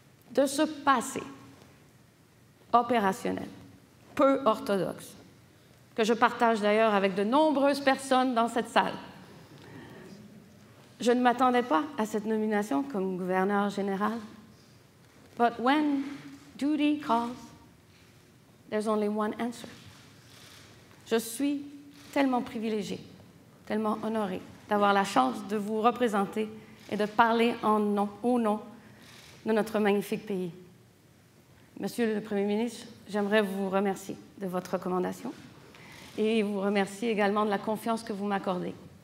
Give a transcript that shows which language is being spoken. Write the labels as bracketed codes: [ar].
[fr] De ce passé opérationnel, peu orthodoxe, que je partage d'ailleurs avec de nombreuses personnes dans cette salle, je ne m'attendais pas à cette nomination comme gouverneur général. [en] But when duty calls, there's only one answer. [fr] Je suis tellement privilégiée, tellement honorée d'avoir la chance de vous représenter et de parler au nom de notre magnifique pays. Monsieur le Premier ministre, j'aimerais vous remercier de votre recommandation et vous remercier également de la confiance que vous m'accordez.